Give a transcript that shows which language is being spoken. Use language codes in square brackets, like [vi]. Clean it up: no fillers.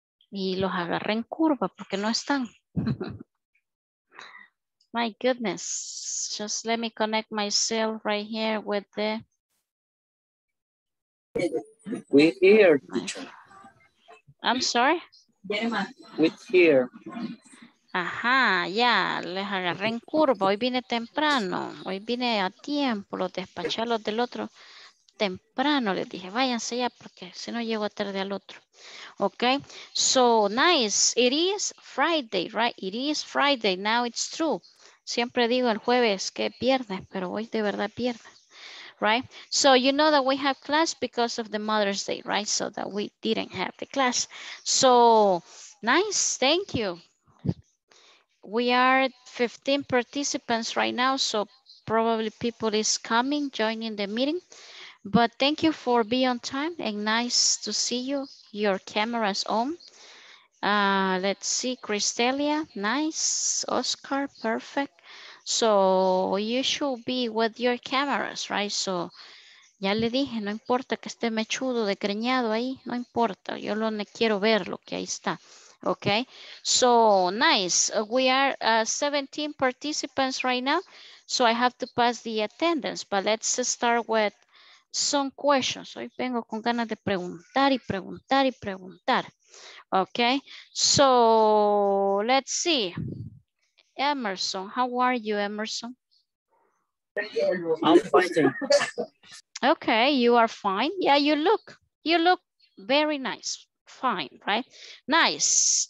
[es] Y los agarré en curva porque no están. [en] My goodness. Just let me connect myself right here with the... We're here, teacher. I'm sorry? We're here. [es] Ajá, ya, les agarré en curva. Hoy vine temprano. Hoy vine a tiempo. Los despaché a los del otro temprano. Les dije, váyanse ya porque si no llego tarde al otro. [en] Okay, so nice. It is Friday, right? It is Friday. Now it's true. [es] Siempre digo el jueves que viernes, pero hoy de verdad viernes, right? [en] So you know that we have class because of the Mother's Day, right? So that we didn't have the class. So nice, thank you. We are 15 participants right now, so probably people is coming, joining the meeting. But thank you for being on time and nice to see you. Your camera's on. Let's see, Cristelia, nice. Oscar, perfect. So you should be with your cameras, right? [es] So ya le dije, no importa que esté mechudo, de creñado ahí, no importa. Yo lo quiero ver lo que ahí está. [en] Okay, so nice. We are 17 participants right now. So I have to pass the attendance, but let's start with some questions. [es] Hoy vengo con ganas de preguntar y preguntar y preguntar. [en] Okay, so let's see. Emerson, how are you, Emerson? I'm fine. Okay, you are fine. Yeah, you look very nice. Fine, right? Nice.